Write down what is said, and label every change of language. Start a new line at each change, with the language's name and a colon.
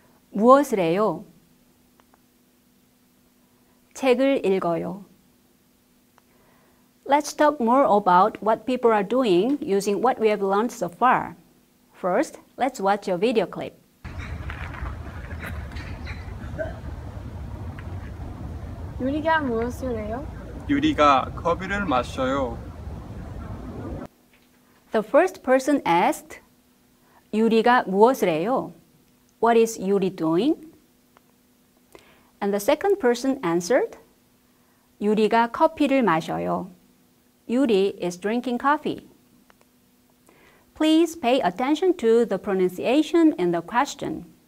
Korean: 무엇을 해요? 책을 읽어요.
English: Let's talk more about what people are doing using what we have learned so far. First, let's watch a video clip.
Korean: Yuri가 무엇을 해요? Yuri가 커피를 마셔요.
English: The first person asked,
Korean: Yuri가 무엇을 해요?
English: What is Yuri doing? And the second person answered,
Korean: Yuri가 커피를 마셔요.
English: Yuri is drinking coffee. Please pay attention to the pronunciation in the question.